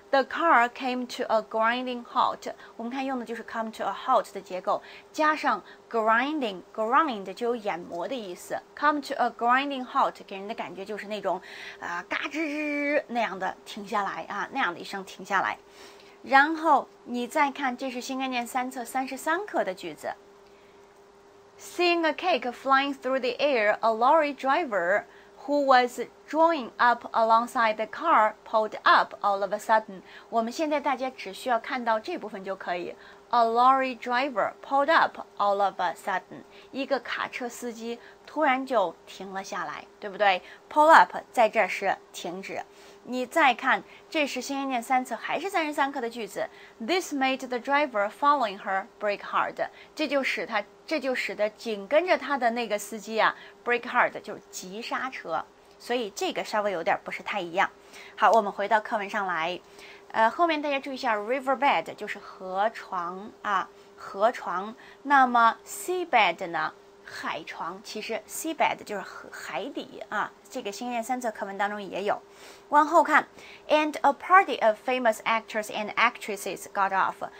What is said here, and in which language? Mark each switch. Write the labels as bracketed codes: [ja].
[en] The car came to a grinding halt， [zh] 我们看用的就是 [en] come to a halt [zh] 的结构，加上 grind 就有眼磨的意思。 [en] Come to a grinding halt [zh] 给人的感觉就是那种，嘎吱吱那样的停下来啊，那样的一声停下来。然后你再看，这是新概念三册33课的句子。 [en] Seeing a cake flying through the air, a lorry driver who was drawing up alongside the car pulled up all of a sudden. [zh] 我们现在大家只需要看到这部分就可以。 [en] A lorry driver pulled up all of a sudden. [zh] 一个卡车司机突然就停了下来，对不对？ Pull up 在这是停止。你再看，这是新概念三册还是33课的句子。 [en] This made the driver following her break hard. [zh] 这就使得紧跟着他的那个司机啊 [en] break hard， [zh] 就是急刹车。所以这个稍微有点不是太一样。好，我们回到课文上来。后面大家注意一下 ，riverbed 就是河床啊，河床。那么 seabed 呢？海床，其实 seabed 就是海底啊。这个星期三则课文当中也有。往后看 [en] ，and a party of famous actors and actresses got off.